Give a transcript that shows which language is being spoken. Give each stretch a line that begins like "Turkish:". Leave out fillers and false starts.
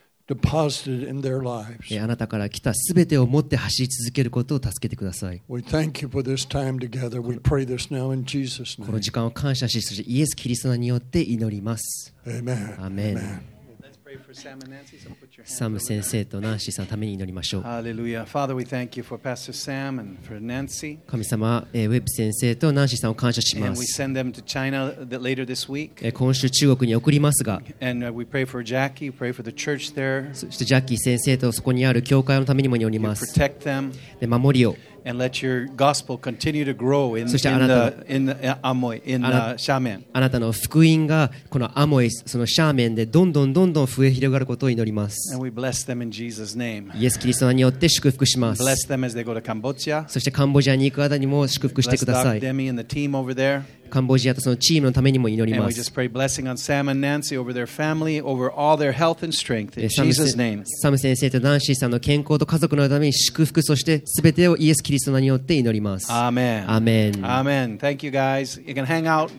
Japanese: あなたから来たすべてを持って走り続けることを助けてください。この時間を感謝し、そしてイエス・キリストによって祈ります。アーメン。アーメン。サム先生とナンシーさんのために祈りましょう。ハレルヤ。
English: Father, we thank you for Pastor Sam and for Nancy.
Japanese: 神様、ウェブ先生とナンシーさんを感謝します。
English: And we send them to China later this week.
Japanese: 今週中国に送りますが。
English: And we pray for Jackie, pray for the church there.
Japanese: そしてジャッキー先生とそこにある教会のためにも祈ります。
English: Protect them.
Japanese: で、守りを。
English: And let your gospel continue to grow in Amoy, in Xiamen.
Japanese: あなたの福音がこのアモイ、そのシャーメンでどんどんどんどん増え広がることを祈ります。
English: And we bless them in Jesus' name.
Japanese: イエス・キリストによって祝福します。
English: Bless them as they go to Cambodia.
Japanese: そしてカンボジアに行く間にも祝福してください。
English: Bless Doc Demi and the team over there.
Japanese: カンボジアとそのチームのためにも祈ります。
English: And we just pray blessing on Sam and Nancy over their family, over all their health and strength in Jesus' name.
Japanese: サム先生とナンシーさんの健康と家族のために祝福そして全てをイエス・キリストによって祈ります。
English: Amen. Amen. Amen. Thank you guys. You can hang out.